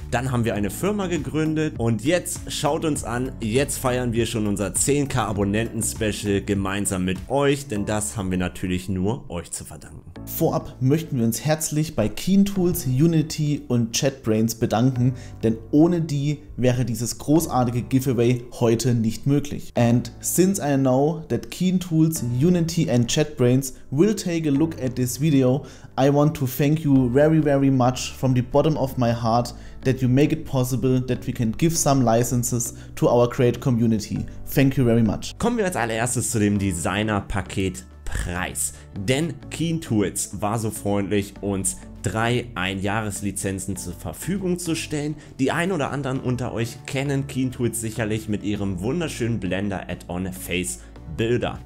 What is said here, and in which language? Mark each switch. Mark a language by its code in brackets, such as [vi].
[de] Dann haben wir eine Firma gegründet und jetzt schaut uns an, jetzt feiern wir schon unser 10k Abonnenten-Special gemeinsam mit euch, denn das haben wir natürlich nur euch zu verdanken. Vorab möchten wir uns herzlich bei KeenTools, Unity und ChatBrainz bedanken, denn ohne die wäre dieses großartige Giveaway heute nicht möglich. [en] And since I know that KeenTools, Unity and ChatBrainz will take a look at this video, I want to thank you very very much from the bottom of my heart that you make it possible that we can give some licenses to our great community. Thank you very much. [de] Kommen wir als allererstes zu dem Designer-Paket. Preis. Denn KeenTools war so freundlich, uns 3 Einjahreslizenzen zur Verfügung zu stellen. Die ein oder anderen unter euch kennen KeenTools sicherlich mit ihrem wunderschönen Blender-Add-on Face Builder.